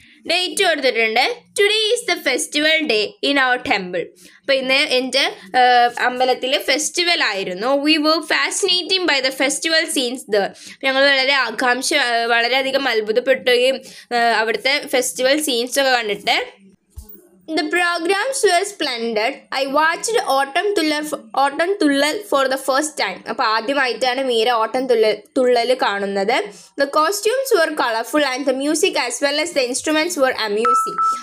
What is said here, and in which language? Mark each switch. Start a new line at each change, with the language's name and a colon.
Malayalam: Date കൊടുത്തിട്ടുണ്ട്,
English: Today is the festival day in our temple.
Malayalam: അപ്പൊ ഇന്ന് എൻ്റെ അമ്പലത്തില് ഫെസ്റ്റിവൽ ആയിരുന്നു.
English: We were fascinating by the festival scenes there.
Malayalam: ഞങ്ങൾ വളരെ ആകാംക്ഷ വളരെയധികം അത്ഭുതപ്പെട്ടുകയും അവിടുത്തെ ഫെസ്റ്റിവൽ സീൻസ് ഒക്കെ കണ്ടിട്ട്.
English: The programs were splendid. I watched Autumn Tullal for the first time.
Malayalam: അപ്പൊ ആദ്യമായിട്ടാണ് മീര ഓട്ടം തുള്ളൽ കാണുന്നത്.
English: The costumes were colourful and the music as well as the instruments were amusing.